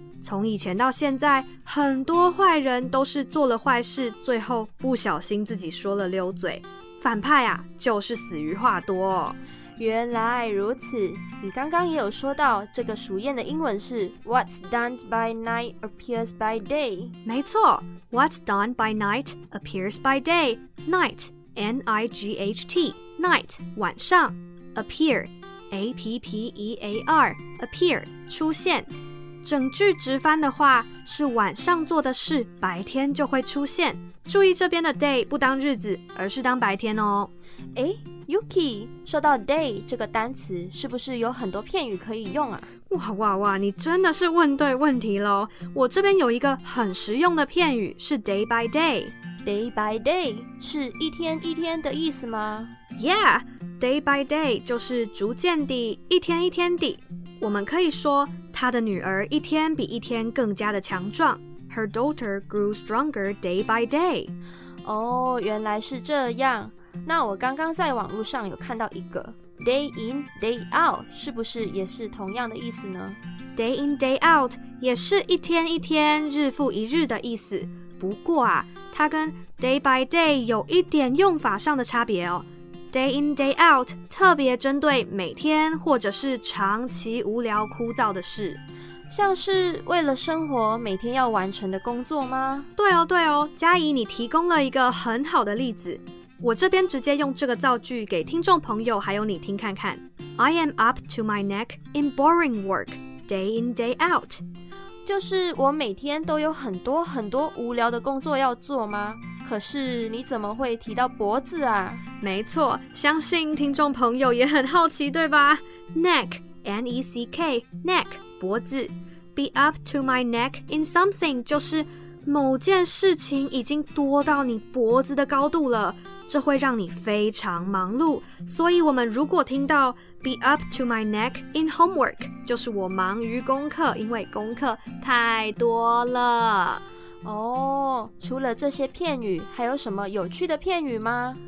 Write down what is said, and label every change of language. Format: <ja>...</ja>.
<zh>从以前到现在，很多坏人都是做了坏事，最后不小心自己说了溜嘴。反派啊，就是死于话多。原来如此，你刚刚也有说到这个俗谚的英文是</zh> <en>What's done by night appears by day。</en> <zh>没错</zh> <en>，What's done by night appears by day。 Night, N-I-G-H-T, night</en> <zh>晚上</zh> <en>，appear, A-P-P-E-A-R, appear</en> <zh>出现。整句直翻的话是晚上做的事，白天就会出现。注意这边的 day 不当日子，而是当白天哦。哎 ，Yuki， 说到 day 这个单词，是不是有很多片语可以用啊？哇哇哇，你真的是问对问题喽！我这边有一个很实用的片语是</zh> <en>day by day。 Day by day</en> <zh>是一天一天的意思吗？</zh> <en>Yeah， day by day</en> <zh>就是逐渐地，一天一天地。我们可以说她的女儿一天比一天更加的强壮。</zh> <en>Her daughter grew stronger day by day。</en> <zh>哦，原来是这样。那我刚刚在网络上有看到一个</zh> <en>day in day out，</en> <zh>是不是也是同样的意思呢？</zh> <en>Day in day out</en> <zh>也是一天一天、日复一日的意思。不过啊，它跟</zh> <en>day by day</en> <zh>有一点用法上的差别哦。</zh> <en>Day in day out</en> <zh>特别针对每天或者是长期无聊枯燥的事。像是为了生活每天要完成的工作吗？对哦对哦，嘉怡你提供了一个很好的例子，我这边直接用这个造句给听众朋友还有你听看看。</zh> <en>I am up to my neck in boring work day in day out，</en> <zh>就是我每天都有很多很多无聊的工作要做吗？可是你怎么会提到脖子啊？没错，相信听众朋友也很好奇对吧？</zh> <en>neck N-E-C-K neck</en> <zh>脖子，</zh> <en>be up to my neck in something</en> <zh>就是某件事情已经多到你脖子的高度了，这会让你非常忙碌。所以我们如果听到</zh> <en>be up to my neck in homework，</en> <zh>就是我忙于功课，因为功课太多了。哦，除了这些片语，还有什么有趣的片语吗？</zh>